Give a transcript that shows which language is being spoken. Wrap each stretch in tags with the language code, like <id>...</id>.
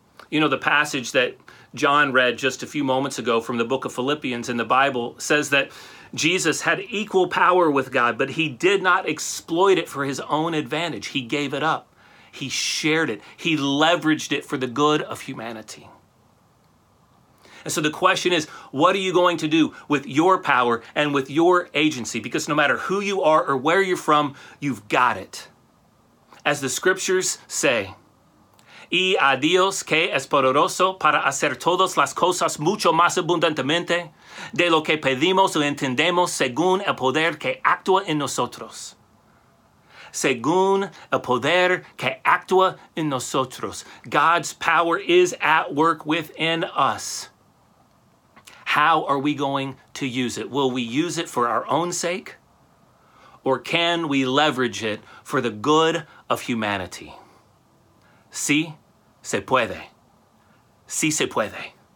<en>You know, the passage that John read just a few moments ago from the book of Philippians in the Bible says that Jesus had equal power with God, but he did not exploit it for his own advantage. He gave it up. He shared it. He leveraged it for the good of humanity. And so the question is, what are you going to do with your power and with your agency? Because no matter who you are or where you're from, you've got it. As the scriptures say,</en> <es>y a Dios que es poderoso para hacer todas las cosas mucho más abundantemente de lo que pedimos o entendemos según el poder que actúa en nosotros. Según el poder que actúa en nosotros.</es> <en>God's power is at work within us. How are we going to use it? Will we use it for our own sake? Or can we leverage it for the good of humanity?</en> <es>Sí, se puede. Sí, se puede.</es>